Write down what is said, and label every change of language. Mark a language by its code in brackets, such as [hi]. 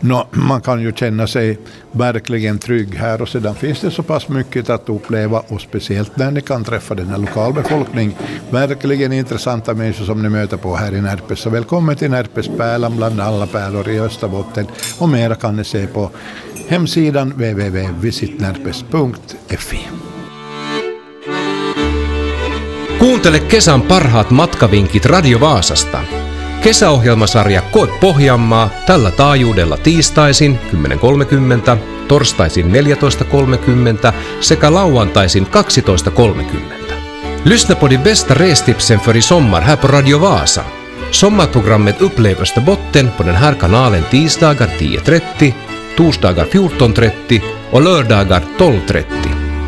[sv] Man kan ju känna sig verkligen trygg här, och sedan finns det så pass mycket att uppleva, och speciellt när ni kan träffa den här lokalbefolkningen. Verkligen intressanta människor som ni möter på här i Närpes. Så välkommen till Närpes pärlan bland alla pärlor i Österbotten, och mera kan ni se på hemsidan www.visitnärpes.fi. [fi] Kuuntele kesän parhaat matkavinkit Radio Vaasasta. Kesäohjelmasarja Koe Pohjanmaa tällä taajuudella tiistaisin 10.30, torstaisin 14.30 sekä lauantaisin 12.30. [sv] Lyssna på de bästa restipsen för i sommar här på Radio Vaasa. Sommarprogrammet Upplev Österbotten på den här kanalen tisdagar 10.30, torsdagar 14.30 och lördagar 12.30.